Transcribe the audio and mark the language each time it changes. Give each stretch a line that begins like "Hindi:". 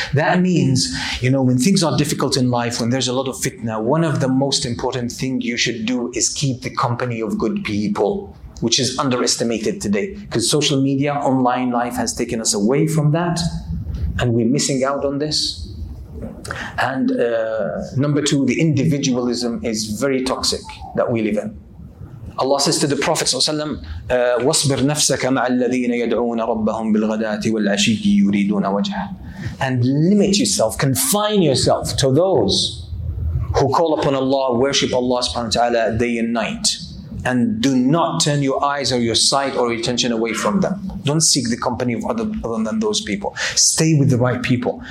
English: That means, you know, when things are difficult in life, when there's a lot of fitna, one of the most important thing you should do is keep the company of good people, which is underestimated today. Because social media, online life has taken us away from that, and we're missing out on this. And number two, the individualism is very toxic that we live in. Allah says to the Prophet
Arabic: وَاصْبِرْ نَفْسَكَ مَعَ الَّذِينَ يَدْعُونَ رَبَّهُمْ بِالْغَدَاةِ وَالْعَشِيِّ يُرِيدُونَ وَجْهَ.
English: And limit yourself, confine yourself to those who call upon Allah, worship Allah subhanahu wa ta'ala day and night. And do not turn your eyes or your sight or your attention away from them. Don't seek the company of other than those people. Stay with the right people.